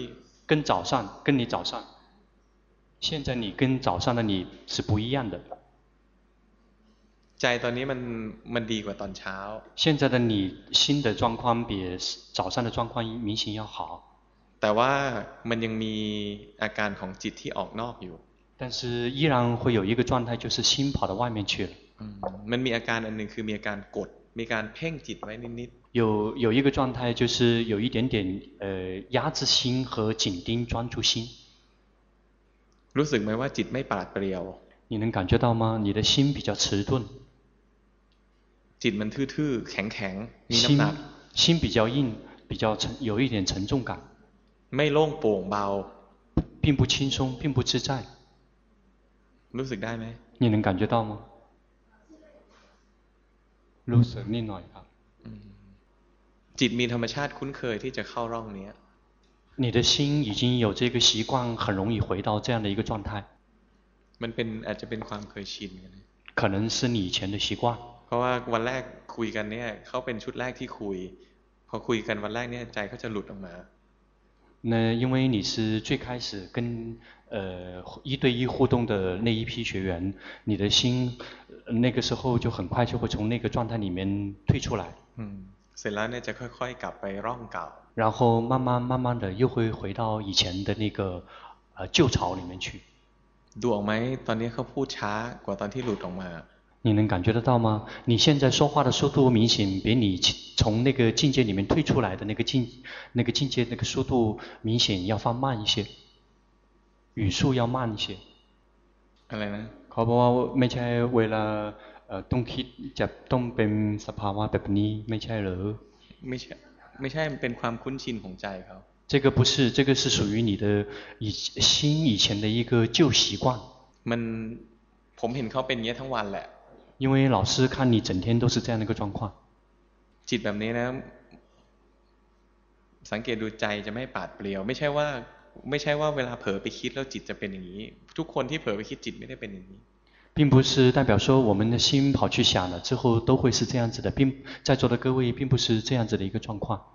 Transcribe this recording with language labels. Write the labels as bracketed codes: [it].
[zh] 跟你早上现在你跟早上的你是不一样的 [th] ใจตอนนี้มันดีกว่าตอนเช้า [zh] 现在的你心的状况比早上的状况明显要好 [th] แต่ว่ามันยังมีอาการของจิตที่ออกนอกอยู่ [zh] 但是依然会有一个状态就是心跑到外面去了 [th] มันมีอาการอันหนึ่งคือมีอาการกดมีการเพ่งจิตไว้นิด [zh] 有一个状态，就是有一点点压制心和紧盯专注心。 [th] รู้สึกไหมว่าจิตไม่ปราดเปรียว？ [zh] 你能感觉到吗？你的心比较迟钝。 [th] จิตมันทื่อๆแข็งๆมีน้ ำหนัก。 [zh] 心比较硬，比较沉，有一点沉重感。 [th] ไม่โล่งโปร่งเบา。 [zh] 并不轻松，并不自在。 [th] รู้สึกได้ไ [zh] หม？ 你能感觉到吗？ [th] รู้สึกนิดหน่อยครับ。 จิตมีธรรมชาติคุ้นเคยที่จะเข้าร่องนี้ [zh] 你的心已经有这个习惯很容易回到这样的一个状态 [th] มันเป็นอาจจะเป็นความเคยชินกัน [zh] 可能是你以前的习惯 [th] เพราะว่าวันแรกคุยกันเนี่ยเขาเป็นชุดแรกที่คุยพอคุยกันวันแรกเนี่ยใจเขาจะหลุดออกมา [zh] 那因为你是最开始跟一对一互动的那一批学员你的心那个时候就很快就会从那个状态里面退出来 [th] เสร็จแล้วเนี่ยจะค่อยๆกลับไปร่องเก่า [zh] 然后慢慢的又会回到以前的那个旧巢里面去 [th] ดูออกไหมตอนนี้เขาพูดช้ากว่าตอนที่หลุดออกมา [zh] 你能感觉得到吗你现在说话的速度明显比你从那个境界里面退出来的那个境界那个速度明显要放慢一些语速要慢一些 [th] อะไรนะ เขาบอกว่าไม่ใช่为了ต้องคิดจะต้องเป็นสภาวะแบบนี้ไม่ใช่หรือ ไม่ใช่เป็นความคุ้นชินของใจเขา [zh] 这个不是这个是属于你的以心以前的一个旧习惯 [th] มันผมเห็นเขาเป็นอย่างนี้ทั้งวันแหละ [zh] 因为老师看你整天都是这样的一个状况 [th] จิตแบบนี้นะสังเกตดูใจจะไม่ปาดเปรียวไม่ใช่ว่าเวลาเผลอไปคิดแล้วจิตจะเป็นอย่างนี้ทุกคนที่เผลอไปคิดจิตไม่ได้เป็นอย่างนี้ [zh] 并不是代表说我们的心跑去想了之后都会是这样子的并在座的各位并不是这样子的一个状况